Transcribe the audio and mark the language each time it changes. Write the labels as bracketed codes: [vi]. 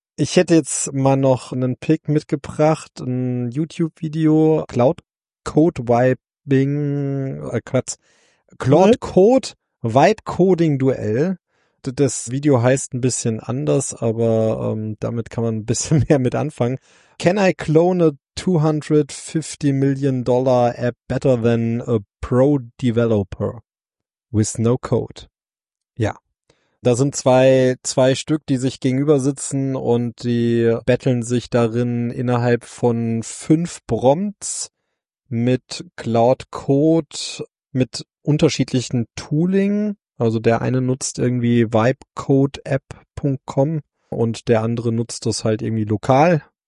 [de] Ich hätte jetzt mal noch einen Pick mitgebracht, ein YouTube-Video, Cloud Code Wiping, Cloud Code Vibe Coding Duell. Das Video heißt ein bisschen anders, aber damit kann man ein bisschen mehr mit anfangen. [en] Can I clone a $250 million app better than a pro developer with no code? [de] Ja. Da sind zwei Stück, die sich gegenüber sitzen und die betteln sich darin innerhalb von 5 Prompts mit Cloud Code, mit unterschiedlichen Tooling. Also der eine nutzt irgendwie vibecodeapp.com und der andere nutzt das halt irgendwie lokal.